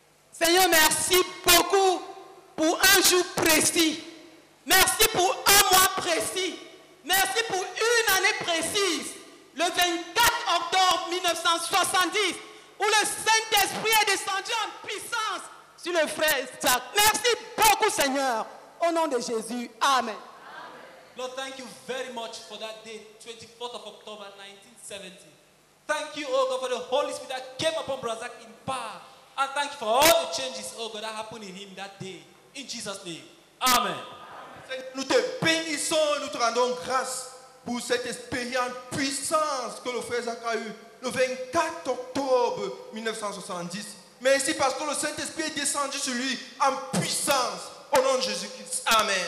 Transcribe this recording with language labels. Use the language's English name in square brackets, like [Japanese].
[French] Seigneur, merci beaucoup pour un jour précis. Merci pour un mois précis. Merci pour une année précise. Le 24 octobre 1970, où le Saint-Esprit est descendu en puissance sur le frère Zach. Merci beaucoup, Seigneur. Au nom de Jésus, amen. Amen. [English] Lord, thank you very much for that day, 24th of October 1970. Thank you, oh God, for the Holy Spirit that came upon Brother Zach in power. I thank you for all the changes, oh God, that happened in him that day. In Jesus' name. Amen. Amen. [French] Seigneur, nous te bénissons et nous te rendons grâce pour cette expérience puissante que le frère Zach a eue le 24 octobre 1970. Merci parce que le Saint-Esprit est descendu sur lui en puissance. Au nom de Jésus-Christ. Amen.